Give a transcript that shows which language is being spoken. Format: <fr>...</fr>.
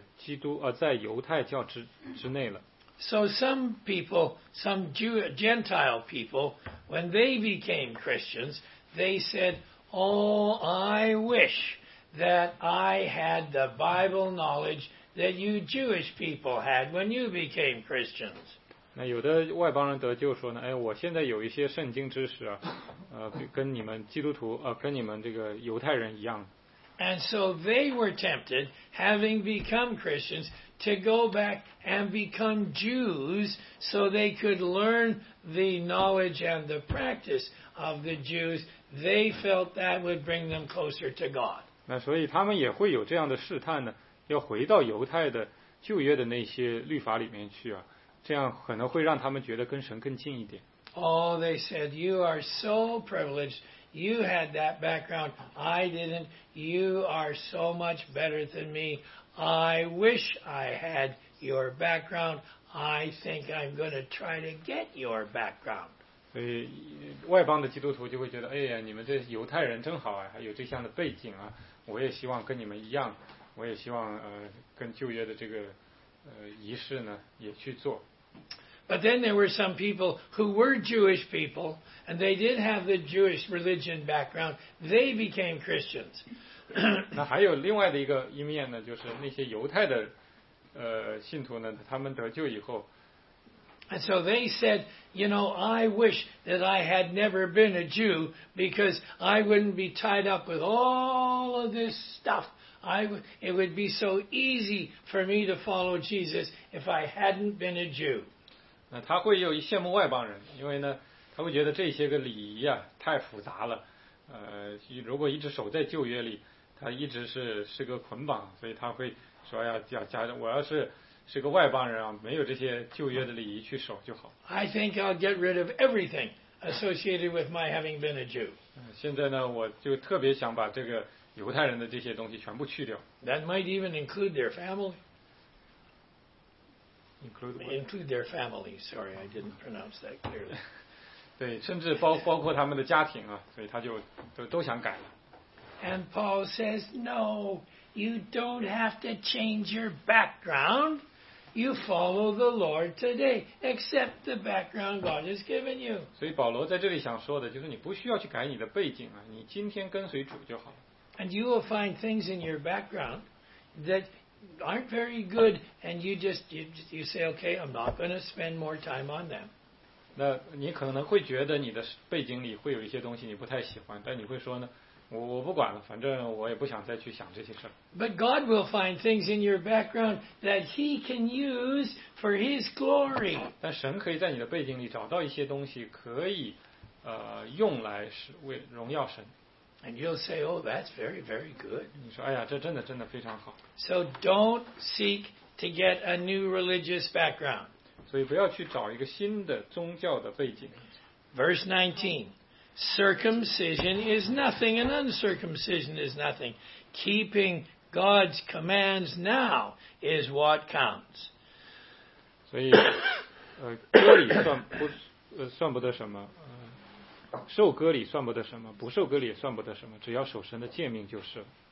<zh>割礼呢是一个信号，让我们知道他已经在这个人在基督，在犹太教之内了。</zh> <en>So some people, some Gentile people, when they became Christians, they said, oh, I wish that I had the Bible knowledge that you Jewish people had when you became Christians.</en> <zh>那有的外邦人得救说呢，哎，我现在有一些圣经知识啊，跟你们基督徒，跟你们这个犹太人一样。</zh> <en>And so they were tempted, having become Christians, to go back and become Jews so they could learn the knowledge and the practice of the Jews. They felt that would bring them closer to God.</en> <zh>那所以他们也会有这样的试探呢，要回到犹太的旧约的那些律法里面去啊，这样可能会让他们觉得跟神更近一点。</zh> <en>Oh, they said, you are so privileged. You had that background. I didn't. You are so much better than me. I wish I had your background. I think I'm going to try to get your background.</en> <zh>所以外邦的基督徒就会觉得，哎呀，你们这犹太人真好啊，还有这项的背景啊，我也希望跟你们一样，我也希望跟旧约的这个仪式呢也去做。</zh> <en>But then there were some people who were Jewish people, and they did have the Jewish religion background. They became Christians.</en> <zh>那还有另外的一个一面呢，就是那些犹太的信徒呢，他们得救以后。</zh> <en>And so they said, you know, I wish that I had never been a Jew because I wouldn't be tied up with all of this stuff. It would be so easy for me to follow Jesus if I hadn't been a Jew.</en> <zh>那他会又羡慕外邦人，因为呢，他会觉得这些个礼仪啊太复杂了。如果一直守在旧约里，他一直是个捆绑，所以他会说呀，我要是。是个外邦人啊，没有这些旧约的礼仪去守就好。</zh> <en>I think I'll get rid of everything associated with my having been a Jew.</en> <zh>现在呢，我就特别想把这个犹太人的这些东西全部去掉。</zh> <en>That might even include their family. Include what? Include their family. Sorry, I didn't pronounce that clearly.</en> <zh>对，甚至包括他们的家庭啊，所以他就都想改了。</zh> <en>And Paul says no. You don't have to change your background. You follow the Lord today. Accept the background God has given you.</en> <zh>所以保罗在这里想说的就是你不需要去改你的背景啊，你今天跟随主就好了。</zh> <en>And you will find things in your background that aren't very good, and you say, okay, I'm not going to spend more time on them.</en> <zh>那你可能会觉得你的背景里会有一些东西你不太喜欢，但你会说呢？我不管了，反正我也不想再去想这些事。</zh> <en>But God will find things in your background that He can use for His glory.</en> <zh>但神可以在你的背景里找到一些东西，可以用来为荣耀神。</zh> <en>And you'll say, "Oh, that's very, very good."</en> <zh>你说，哎呀，这真的非常好。</zh> <en>So don't seek to get a new religious background.</en> <zh>所以不要去找一个新的宗教的背景。</zh> <en>Verse 19. Circumcision is nothing and uncircumcision is nothing. Keeping God's commands now is what counts.</en> <zh>所以割礼算不得什么，受割礼算不得什么，不受割礼也算不得什么，只要守神的诫命就是。</zh>